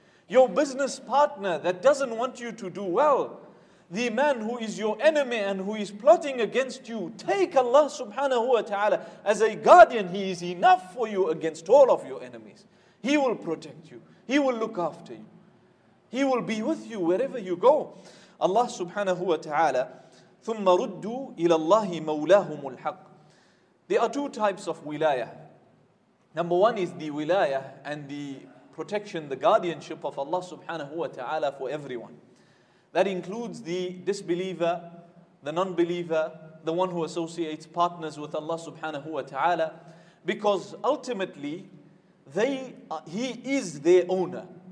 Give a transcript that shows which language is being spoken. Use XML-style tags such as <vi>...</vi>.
<en>Your business partner that doesn't want you to do well. The man who is your enemy and who is plotting against you. Take Allah subhanahu wa ta'ala as a guardian. He is enough for you against all of your enemies. He will protect you. He will look after you. He will be with you wherever you go.</en> <ar>Allah subhanahu wa ta'ala, ثُمَّ رُدُّوا إِلَى اللَّهِ مَوْلَاهُمُ الْحَقِّ.</ar> <en>There are two types of wilayah. Number one is the wilayah and the protection, the guardianship of Allah subhanahu wa ta'ala for everyone. That includes the disbeliever, the non-believer, the one who associates partners with Allah subhanahu wa ta'ala, because ultimately, he is their owner.</en>